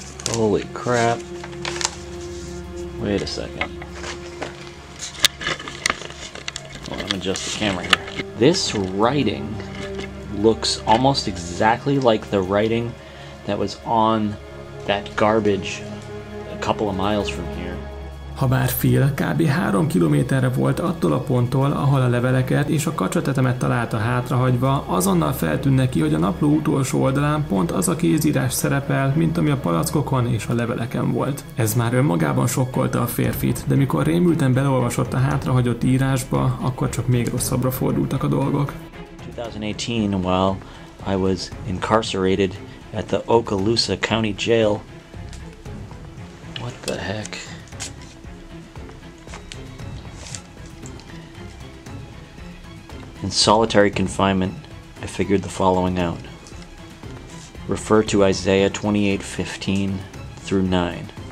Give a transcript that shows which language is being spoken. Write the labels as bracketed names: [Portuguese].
[English] Holy crap. Wait a second. Hold on, I'm adjusting the camera here. This writing looks almost exactly like the writing that was on that garbage a couple of miles from here. [Hungarian] Habár Phil kb. 3 kilométerre volt attól a ponttól, ahol a leveleket és a kacsatetemet találta hátrahagyva, azonnal feltűnt neki, hogy a napló utolsó oldalán pont az a kézírás szerepel, mint ami a palackokon és a leveleken volt. Ez már önmagában sokkolta a férfit, de mikor rémülten beleolvasott a hátrahagyott írásba, akkor csak még rosszabbra fordultak a dolgok. [English] 2018 while I was incarcerated at the Okaloosa County Jail. What the heck? In solitary confinement, I figured the following out. Refer to Isaiah 28:15 through 9.